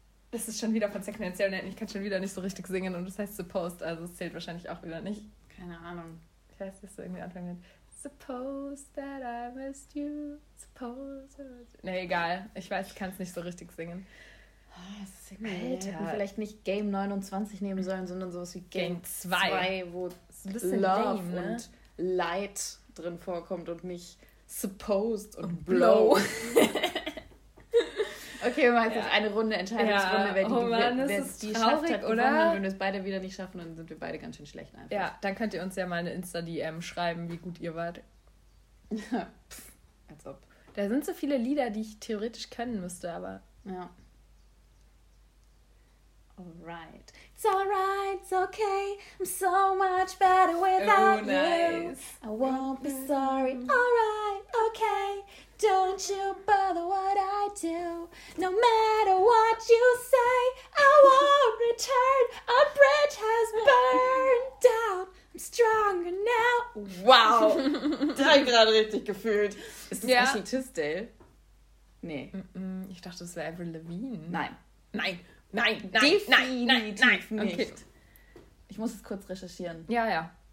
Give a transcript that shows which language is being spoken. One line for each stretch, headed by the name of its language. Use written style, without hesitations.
German: Das ist schon wieder von Second Hand Serenade. Ich kann schon wieder nicht so richtig singen und das heißt supposed, also es zählt wahrscheinlich auch wieder nicht. Keine Ahnung. Ich weiß, dass du irgendwie anfangen willst.
English: Supposed that I missed you.
German: Supposed. Nee, egal. Ich weiß, ich kann es nicht so richtig singen. Oh, das ist ja cool. Hätten vielleicht nicht Game 29 nehmen sollen, sondern sowas wie Game 2, wo Love lame, ne? Und Light drin vorkommt und nicht Supposed und Blow. Okay, wir machen jetzt eine Runde, Entscheidungsrunde, wer die schafft, hat gewonnen. Wenn wir es beide wieder nicht schaffen, dann sind wir beide ganz schön schlecht einfach. Ja, dann könnt ihr uns ja mal eine Insta-DM schreiben, wie gut ihr wart. Als ob. Da sind so viele Lieder, die ich theoretisch können müsste, aber... Ja.
English: Alright. It's alright, it's okay. I'm so much better without you. I won't be sorry. Alright, okay. Don't you bother what I do. No matter what you say, I won't return. A bridge has burned down. I'm stronger now. Wow.
German: Das hab ich gerade richtig gefühlt. Ist das Ashley Tisdale? Nee. Ich dachte, das wäre Avril Lavigne. Nein. Nein. Nein, nicht. Okay. Ich muss es kurz recherchieren. Ja, ja.